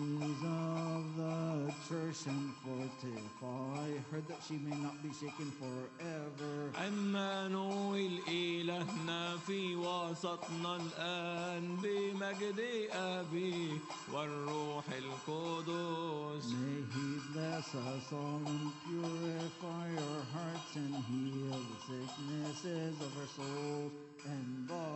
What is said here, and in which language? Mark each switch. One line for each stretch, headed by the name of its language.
English: Disperse the enemies of the church and fortify her that she may not be shaken forever.
Arabic: أما نويل إلهنا في وسطنا الآن بمجد أبي والروح القدس.
English: May he bless us all and purify our hearts and heal the sicknesses of our souls.